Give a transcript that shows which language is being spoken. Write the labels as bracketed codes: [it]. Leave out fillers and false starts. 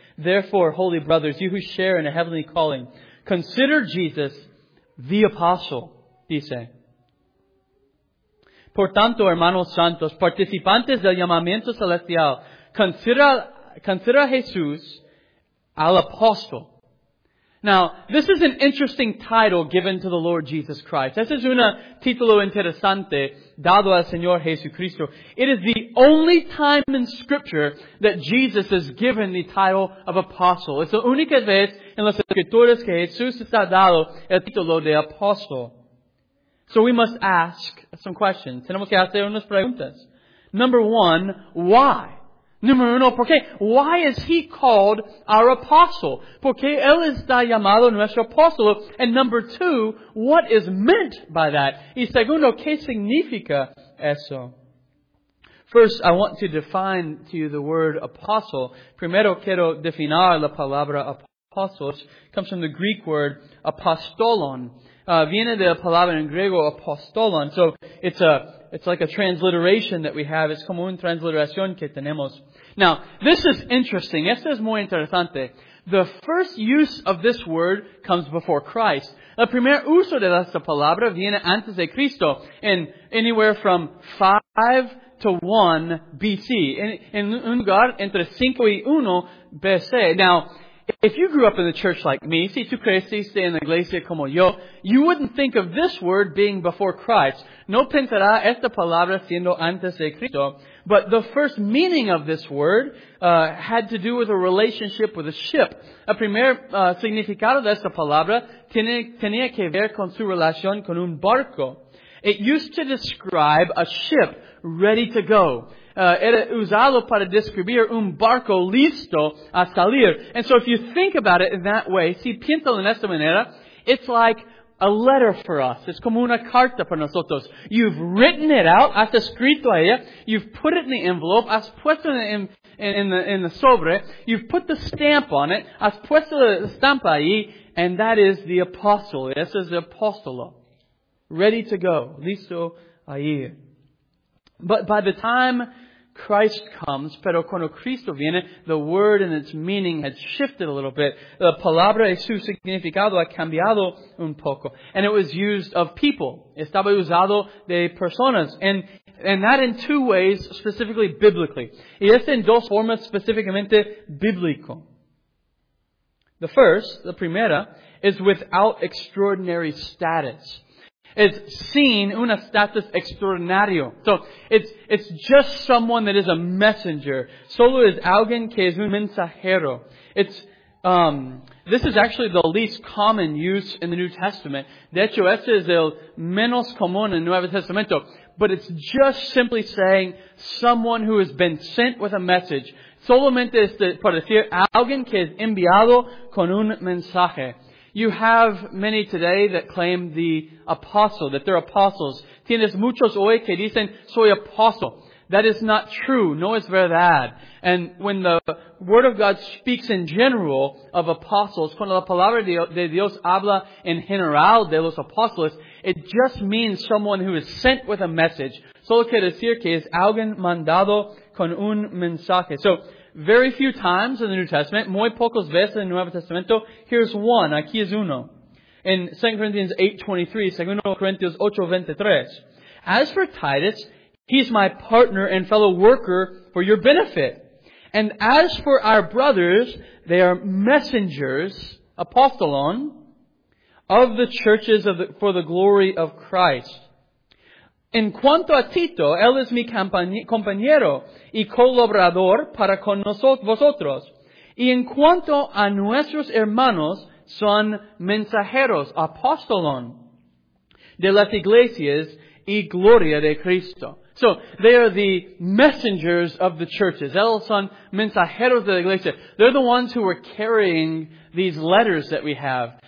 [en] Therefore, holy brothers, you who share in a heavenly calling, consider Jesus the apostle, dice. [es] Por tanto, hermanos santos, participantes del llamamiento celestial, considera a Jesús al apóstol. [en] Now, this is an interesting title given to the Lord Jesus Christ. [es] Este es un título interesante dado al Señor Jesucristo. [en] It is the only time in Scripture that Jesus is given the title of apostle. [es] Es la única vez en las Escrituras que Jesús está dado el título de apóstol. [en] So we must ask some questions. [es] Tenemos que hacer unas preguntas. [en] Number one, why? [es] Número uno, ¿por qué? [en] Why is he called our apostle? [es] ¿Por qué él está llamado nuestro apóstol? [en] And number two, what is meant by that? [es] Y segundo, ¿qué significa eso? [en] First, I want to define to you the word apostle. [es] Primero, quiero definir la palabra apóstoles. [en] Comes from the Greek word apostolon. [es] Viene de la palabra en griego apostolon. [en] So, it's like a transliteration that we have. It's [es] como una transliteración que tenemos. [en] Now, this is interesting. [es] Esto es muy interesante. [en] The first use of this word comes before Christ. [es] El primer uso de esta palabra viene antes de Cristo. [en] In anywhere from 5 to 1 BC. [es] En un lugar entre 5 y 1 BC. [en] Now, if you grew up in the church like me, [es] si tú creciste en la iglesia como yo, [en] you wouldn't think of this word being before Christ. [es] No pensará esta palabra siendo antes de Cristo. [en] But the first meaning of this word had to do with a relationship with a ship. [es] El primer significado de esta palabra tenía que ver con su relación con un barco. [en] It used to describe a ship ready to go. [es] Era usado para describir un barco listo a salir. [en] And so if you think about it in that way, [es] si piénsalo en esta manera, [en] it's like a letter for us. [es] It's como una carta para nosotros. [en] You've written it out. [es] Has escrito ella. [en] You've put it in the envelope. [es] Has puesto in the sobre. [en] You've put the stamp on it. [es] Has puesto la estampa ahí. [en] And that is the apostle. This is the apostolo. Ready to go. [es] Listo ahí. [en] But by the time Christ comes, [es] pero cuando Cristo viene, [en] the word and its meaning had shifted a little bit. [es] La palabra y su significado ha cambiado un poco. [en] And it was used of people. [es] Estaba usado de personas. [en] And that in two ways, specifically biblically. [es] Y es en dos formas específicamente bíblico. [en] The first, the primera, is without extraordinary status. [es] It's seen un status extraordinario. [en] So it's just someone that is a messenger. [es] Solo es alguien que es un mensajero. [en] It's this is actually the least common use in the New Testament. [es] De hecho, este es el menos común en Nuevo Testamento. [en] But it's just simply saying someone who has been sent with a message. [es] Solamente es para decir alguien que es enviado con un mensaje. [en] You have many today that claim the apostle, that they're apostles. [es] Tienes muchos hoy que dicen, soy apostle. [en] That is not true. [es] No es verdad. [en] And when the Word of God speaks in general of apostles, [es] cuando la palabra de Dios habla en general de los apóstoles, [en] it just means someone who is sent with a message. [es] Solo quiere decir que es alguien mandado con un mensaje. [en] So, very few times in the New Testament, [es] muy pocos veces en el Nuevo Testamento, [en] here's one, [es] aquí es uno. [en] In 2 Corinthians 8:23, 2 Corinthians 8:23. As for Titus, he's my partner and fellow worker for your benefit. And as for our brothers, they are messengers, apostolon, of the churches for the glory of Christ. [es] En cuanto a Tito, él es mi compañero y colaborador para con vosotros. Y en cuanto a nuestros hermanos, son mensajeros, apóstolon, de las iglesias y gloria de Cristo. [en] So, they are the messengers of the churches. [es] Ellos son mensajeros de la iglesia. [en] They're the ones who are carrying these letters that we have.